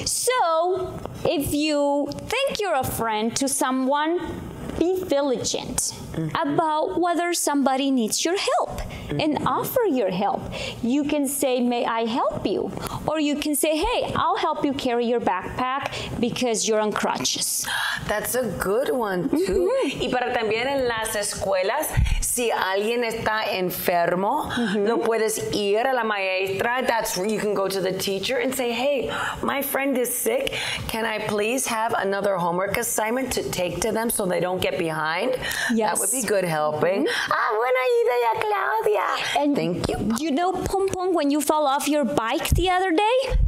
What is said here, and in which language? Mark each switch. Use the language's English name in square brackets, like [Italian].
[English] So, if you think you're a friend to someone, be diligent mm-hmm. about whether somebody needs your help mm-hmm. and offer your help. You can say, may I help you? Or you can say, hey, I'll help you carry your backpack because you're on crutches. That's a good one, too. Mm-hmm. [Spanish] Y para también en las escuelas, si alguien está enfermo, mm-hmm. lo puedes ir a la maestra. [English] That's where you can go to the teacher and say, hey, my friend is sick. Can I please have another homework assignment to take to them so they don't get behind? Yes. That would be good helping. Mm-hmm. [Spanish] Ah, buena idea, Claudia. [English] And thank you. You know, Pom Pom, when you fell off your bike the other day?